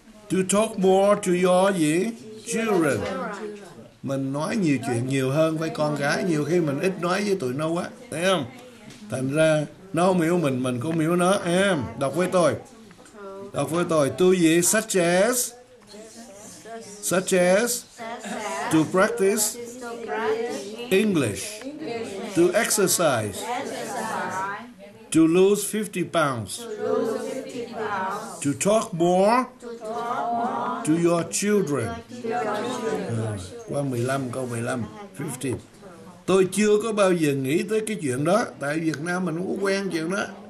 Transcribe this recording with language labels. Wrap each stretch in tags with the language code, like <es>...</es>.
<en>To talk more to your gì? Children.</en> <vi>Mình nói nhiều chuyện nhiều hơn với con gái. Nhiều khi mình ít nói với tụi nó quá. Thấy không? Thành ra nó không hiểu mình cũng hiểu nó. Em đọc với tôi, đọc với tôi. Tu gì?</vi> <en>Such as to practice English, to exercise, to lose 50 pounds, to talk more to your children.</en> <vi>Qua 15, câu 15, 15. Tôi chưa có bao giờ nghĩ tới cái chuyện đó. Tại Việt Nam mình không có quen chuyện đó.</vi>